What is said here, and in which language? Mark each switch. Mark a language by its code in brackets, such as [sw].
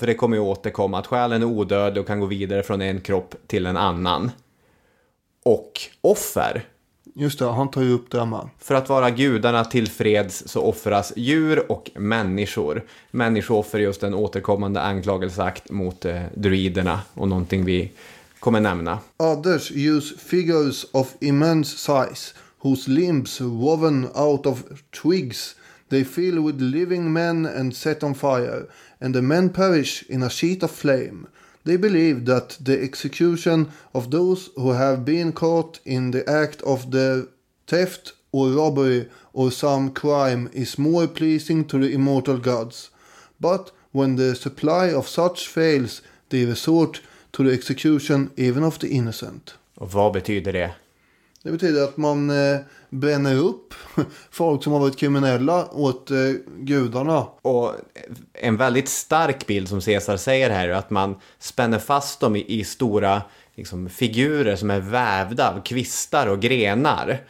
[sv] För det kommer ju återkomma att själen är odödlig och kan gå vidare från en kropp till en annan. Och offer. Just det, han tar ju upp det här. För att vara gudarna till freds så offras djur och människor. Människooffer är just en återkommande anklagelseakt mot druiderna och någonting vi kommer nämna. [en] Others use figures of immense size, whose limbs woven out of twigs, they fill with living men and set on fire, and the men perish in a sheet of flame. They believe that the execution of those who have been caught in the act of the theft or robbery or some crime is more pleasing to the immortal gods. But when the supply of such fails, they resort to the execution even of the innocent. [sv] Och vad betyder det? Det betyder att man bränner upp folk som har varit kriminella åt gudarna. Och en väldigt stark bild som Caesar säger här är att man spänner fast dem i stora liksom, figurer som är vävda av kvistar och grenar.